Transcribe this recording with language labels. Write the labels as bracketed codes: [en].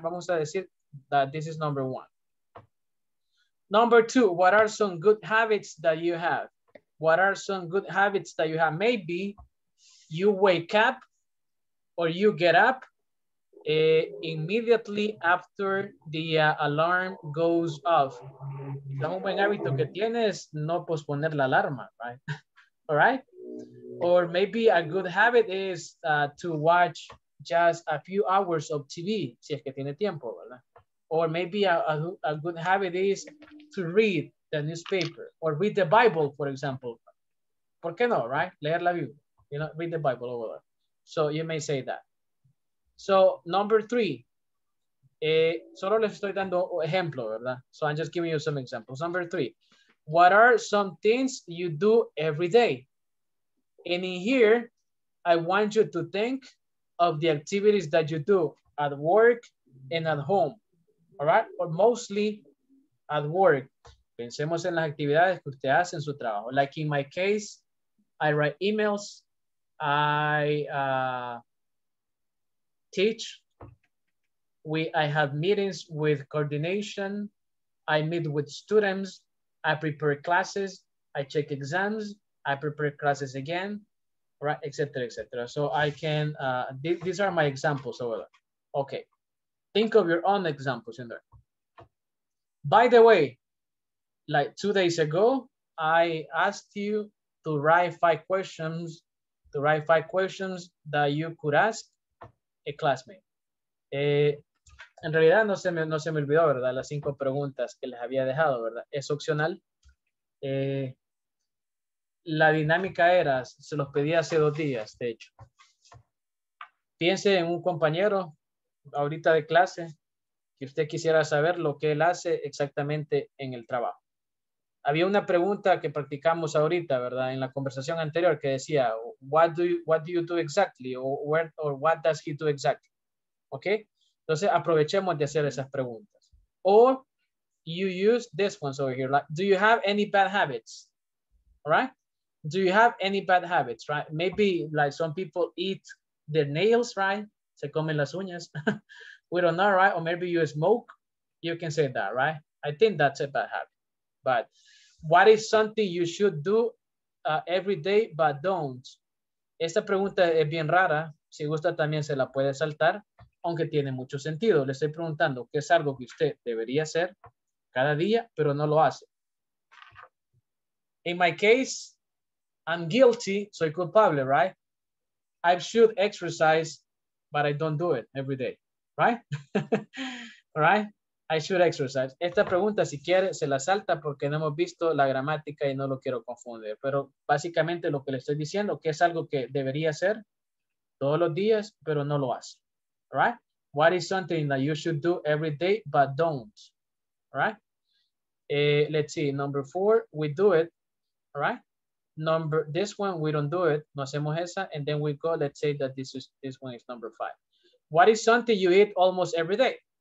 [es] Vamos a decir [en] that this is number one. Number two, what are some good habits that you have? What are some good habits that you have? Maybe you wake up, or you get up immediately after the alarm goes off. [es] Es un buen hábito que tienes no posponer la alarma, right? [en] All right? Or maybe a good habit is to watch just a few hours of TV, [es] si es que tiene tiempo, ¿verdad? [en] Or maybe a good habit is to read the newspaper or read the Bible, for example. [es] ¿Por qué no, [en] right? [es] Leer la Biblia, [en] you know, read the Bible over there. So you may say that. So number three, [es] solo les estoy dando ejemplo, ¿verdad? [en] So I'm just giving you some examples. Number three, what are some things you do every day? And in here, I want you to think of the activities that you do at work and at home, all right? Or mostly at work. [es] Pensemos en las actividades que usted hace en su trabajo. [en] Like in my case, I write emails, I teach, I have meetings with coordination, I meet with students, I prepare classes, I check exams, I prepare classes again, right, et cetera, et cetera. So I can, these are my examples over there. Okay, think of your own examples in there. By the way, like 2 days ago, I asked you to write five questions that you could ask a classmate. [es] En realidad no se me olvidó, ¿verdad? Las cinco preguntas que les había dejado, ¿verdad? Es opcional. La dinámica era, se los pedí hace 2 días, de hecho. Piense en un compañero ahorita de clase que usted quisiera saber lo que él hace exactamente en el trabajo. Había una pregunta que practicamos ahorita, ¿verdad? En la conversación anterior que decía, [en] what do you do exactly? Or what does he do exactly? ¿Ok? [es] Entonces, aprovechemos de hacer esas preguntas. [en] Or you use this one over here. Like, do you have any bad habits? All right? Do you have any bad habits, right? Maybe like some people eat their nails, right? [es] Se comen las uñas. [en] We don't know, right? Or maybe you smoke. You can say that, right? I think that's a bad habit. But what is something you should do every day but don't? [es] Esta pregunta es bien rara. Si gusta también se la puede saltar, aunque tiene mucho sentido. Le estoy preguntando qué es algo que usted debería hacer cada día, pero no lo hace. [en] In my case, I'm guilty. [es] Soy culpable, [en] right? I should exercise, but I don't do it every day, right? Right? I should exercise. [es] Esta pregunta, si quiere, se la salta porque no hemos visto la gramática y no lo quiero confundir. Pero básicamente lo que le estoy diciendo, que es algo que debería hacer todos los días, pero no lo hace. Right? [en] What is something that you should do every day but don't? All right. Let's see. Number four, we do it. All right. Number this one, we don't do it. [es] No hacemos esa. [en] And then we go. Let's say that this one is number five. What is something you eat almost every day?